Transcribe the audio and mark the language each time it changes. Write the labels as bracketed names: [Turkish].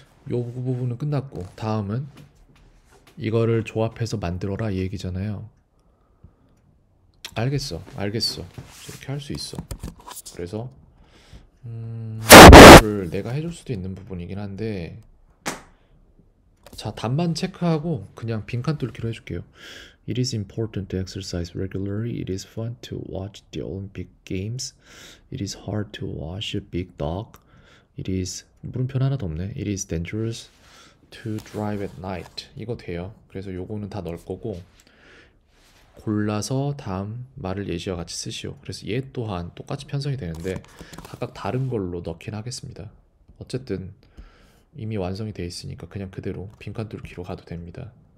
[Korean] 요 부분은 끝났고, 다음은 이거를 조합해서 만들어라 이 얘기잖아요. 알겠어, 알겠어. 이렇게 할수 있어. 그래서 이거를 내가 해줄 수도 있는 부분이긴 한데, 자, 답만 체크하고 그냥 빈칸 뚫기로 해줄게요. [English] It is important to exercise regularly. It is fun to watch the Olympic Games. It is hard to watch a big dog. It is [Korean] 물음표 하나도 없네. [English] It is dangerous to drive at night. [Korean] 이거 돼요. 그래서 요거는 다 넣을 거고, 골라서 다음 말을 예시와 같이 쓰시오. 그래서 얘 또한 똑같이 편성이 되는데 각각 다른 걸로 넣긴 하겠습니다. 어쨌든 이미 완성이 돼 있으니까 그냥 그대로 빈칸 뚫기로 가도 됩니다.